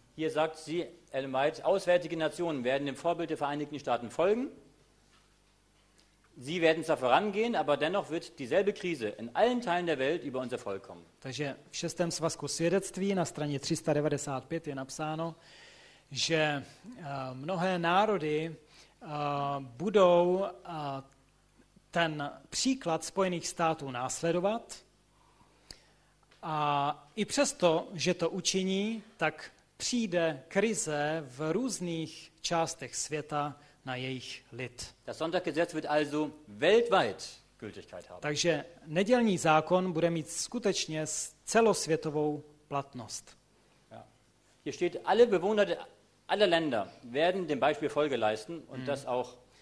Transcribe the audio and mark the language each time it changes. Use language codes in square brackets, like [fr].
[de] Hier sagt sie, Ellen White, auswärtige Nationen werden dem Vorbild der Vereinigten Staaten folgen. Sie werden zwar vorangehen, aber dennoch wird dieselbe Krise in allen Teilen der Welt über unser Volk kommen. [cs] Takže v šestém svazku svědectví na straně 395 je napsáno, že mnohé národy budou ten příklad Spojených států následovat a i přesto, že to učiní, tak přijde krize v různých částech světa na jejich lid. [de] Das Sonntaggesetz wird also weltweit Gültigkeit haben. [cs] Takže nedělní zákon bude mít skutečně celosvětovou platnost. [de] Ja. Hier steht, alle Bewohner aller Länder werden dem Beispiel Folge leisten und das auch.